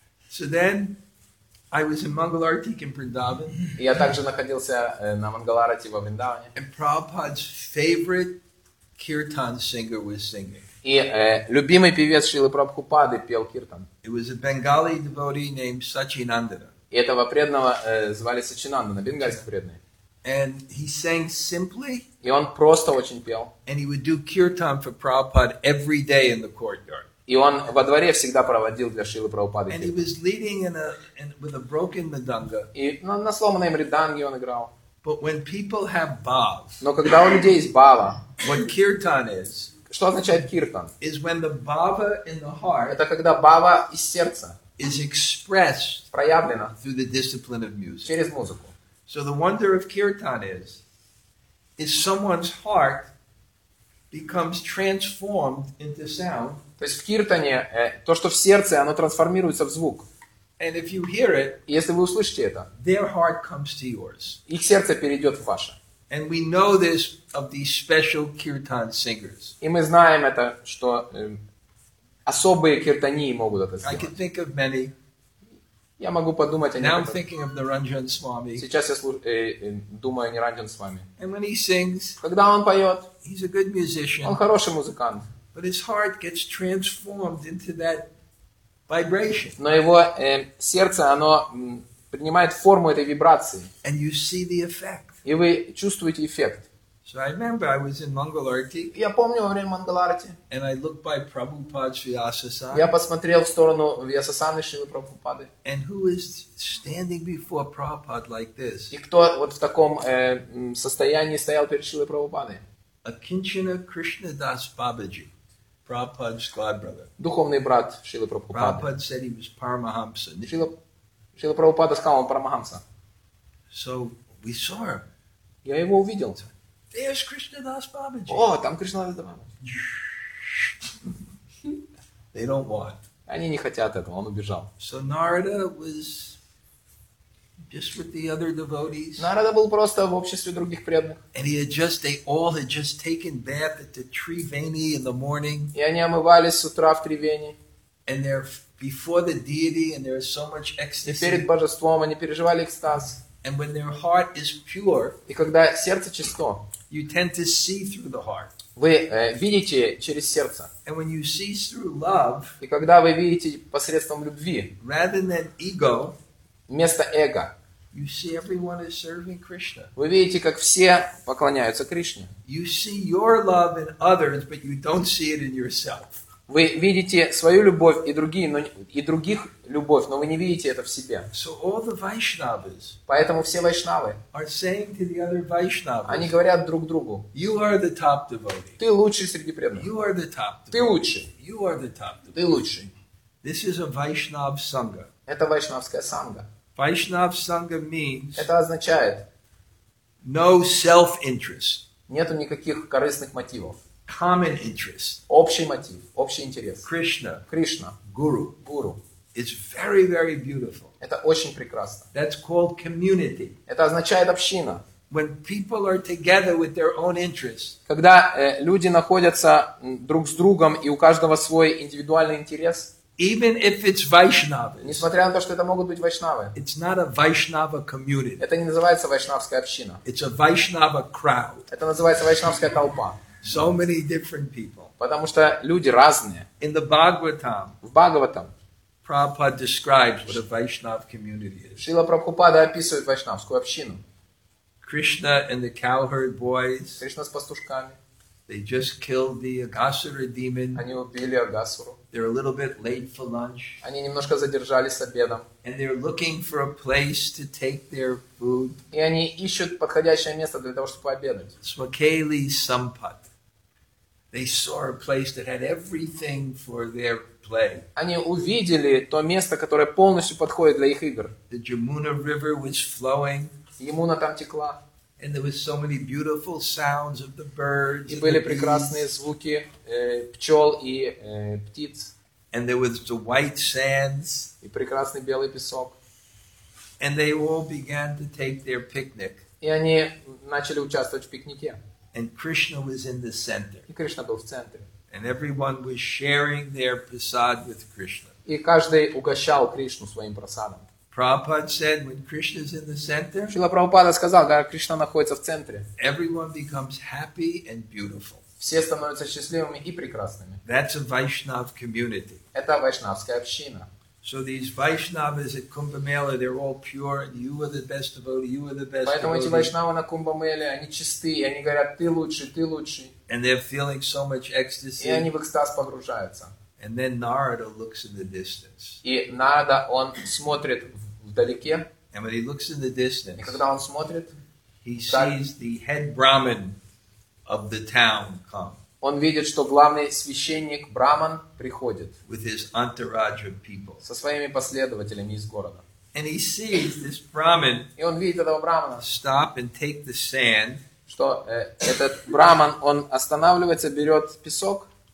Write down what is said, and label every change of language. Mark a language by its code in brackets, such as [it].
[en] So then, I was in Mangalarti in Vrindavan. [ru] Я также находился на Мангаларти во Вриндаване. [en] And Prabhupada's favorite kirtan singer was singing. [ru] И любимый певец Шрилы Прабхупады пел киртан. [en] It was a Bengali devotee named Sachinandana. [ru] И этого преданного звали Сачинанда, на бенгальском преданный. [en] And he sang simply. [ru] И он просто очень пел. [en] And he would do kirtan for Prabhupada every day in the courtyard. [ru] И он во дворе всегда проводил для Шрилы Прабхупады. [en] And he was leading with a broken mridanga. [ru] И на сломанной мриданге он играл. [en] But when people have bhav. [ru] Но когда у людей есть бхава. [en] What kirtan is? [ru] Что означает kirtan? [en] Is when the bhava in the heart. [ru] Это когда бхава из сердца. [en] Is expressed. [ru] Проявлено. [en] Through the discipline of music. [ru] Через музыку. [en] So the wonder of kirtan is someone's heart becomes transformed into sound. [ru] То есть в киртане то, что в сердце, оно трансформируется в звук. [en] And if you hear it, [ru] если вы услышите это, [en] their heart comes to yours. [ru] Их сердце перейдет в ваше. [en] And we know this of these special kirtan singers. [ru] И мы знаем это, что особые киртани могут это сделать. [en] I can think of many. [ru] Я могу подумать о них. [en] Now I'm thinking of Niranjan Swami. [ru] Сейчас я думаю о Ниранджан Свами. [en] And when he sings, [ru] когда он поет, [en] he's a good musician. [ru] Он хороший музыкант. [en] But his heart gets transformed into that vibration. [ru] Но его сердце, оно принимает форму этой вибрации. [en] And you see the effect. [ru] И вы чувствуете эффект. [en] So I remember I was in Mangalarti. [ru] Я помню во время Мангаларти. [en] And I looked by Prabhupada's Vyasasa. [ru] Я посмотрел в сторону Вьясасаны Шрилы Прабхупады. [en] And who is standing before Prabhupada like this? [ru] И кто вот в таком состоянии стоял перед Шрилой Прабхупадой? [en] Akinchana Krishna Das Babaji, Prabhupada's god brother. [ru] Духовный брат Шрилы Прабхупады. [en] Prabhupada said he was Paramahamsa. [ru] Шрила Прабхупада сказал, он Парамахамса. [en] So we saw him. [ru] Я его увидел. [en] There's Krishna Das Babaji. [ru] О, там Кришна Дас Бабаджи. [en] They don't want. [ru] Они не хотят этого. Он убежал. [en] So Narada was just with the other devotees. [ru] Нарада был просто в обществе других преданных. [en] And he had just, they all had just taken bath at the Triveni in the morning. [ru] И они омывались с утра в Тривени. [en] And they're before the deity, and there is so much ecstasy. [ru] И перед божеством они переживали экстаз. [en] And when their heart is pure. [ru] И когда сердце чисто. [en] You tend to see through the heart. [ru] Вы видите через сердце. [en] And when you see through love. [ru] И когда вы видите посредством любви. [en] Rather than ego. [ru] Вместо эго. [en] You see everyone is serving Krishna. [ru] Вы видите, как все поклоняются Кришне. [en] You see your love in others, but you don't see it in yourself. [ru] Вы видите свою любовь и других любовь, но вы не видите это в себе. [en] So all the Vaishnavas. [ru] Поэтому все Вайшнавы. [en] Are saying to the other Vaishnavas. [ru] Они говорят друг другу. [en] You are the top devotee. [ru] Ты лучший среди преданных. [en] You are the top devotee. [ru] Ты лучший. [en] You are the top devotee. [ru] Ты лучший. [en] This is a Vaishnav sangha. [ru] Это вайшнавская санга. [en] Vaishnav sangha means. [ru] Это означает. [en] No self-interest. [ru] Нету никаких корыстных мотивов. [en] Common interest. [ru] Общий мотив, общий интерес. [en] Krishna. [ru] Кришна. [en] Guru. [ru] Guru. [en] It's very, very beautiful. [ru] Это очень прекрасно. [en] That's called community. [ru] Это означает община. [en] When people are together with their own interests. [ru] Когда люди находятся друг с другом и у каждого свой индивидуальный интерес. [en] Even if it's Vaishnava, [ru] несмотря на то, что это могут быть вайшнавы, [en] it's not a Vaishnava community. [ru] Это не называется вайшнавская община. [en] It's a Vaishnava crowd. [ru] Это называется вайшнавская толпа. [en] So many different people. [ru] Потому что люди разные. [en] In the Bhagavatam, [ru] в Бхагаватам, [en] Prabhupada describes what a Vaishnava community is. [ru] Шрила Прабхупада описывает вайшнавскую общину. [en] Krishna and the cowherd boys. [ru] Кришна с пастушками. [en] They just killed the Agasura demon. [ru] Они убили Агасуру. [en] They're a little bit late for lunch. [ru] Они немножко задержались с обедом. [en] And they're looking for a place to take their food. [ru] И они ищут подходящее место для того, чтобы пообедать. Smakeli Sampat. [en] They saw a place that had everything for their play. [ru] Они увидели то место, которое полностью подходит для их игр. [en] The Jamuna River was flowing. [ru] Yamuna там текла. [en] And there was so many beautiful sounds of the birds. [ru] И были прекрасные звуки пчел и птиц. [en] And there was the white sands. [ru] И прекрасный белый песок. [en] And they all began to take their picnic. [ru] И они начали участвовать в пикнике. [en] And Krishna was in the center. [ru] И Кришна был в центре. [en] And everyone was sharing their prasad with Krishna. [ru] И каждый угощал Кришну своим прасадом. [en] Prabhupada said, "When Krishna is in the center." [ru] Шрила Прабхупада сказал, когда Кришна находится в центре. [en] Everyone becomes happy and beautiful. [ru] Все становятся счастливыми и прекрасными. [en] That's a Vaishnava community. [ru] Это вайшнавская община. [en] So these Vaishnavas at Kumbh Mela, they're all pure. You are the best devotee. You are the best. [ru] Поэтому эти Вайшнавы на Кумбамеле, они чистые. Они говорят, ты лучший, ты лучший. [en] And they're feeling so much ecstasy. [ru] И они в экстаз погружаются. [en] And then Narada looks in the distance. [ru] И Нарада он смотрит вдалеке. [en] And when he looks in the distance, [ru] и когда он смотрит, [en] he sees the head Brahmin of the town come. [ru] Он видит, что главный священник Браман приходит [en] with his entourage of people. [ru] Со своими последователями из города. [en] And he sees this Brahmin [ru] и он видит этого Брамана [en] stop and take the sand, [ru] что этот Браман, он останавливается, берет песок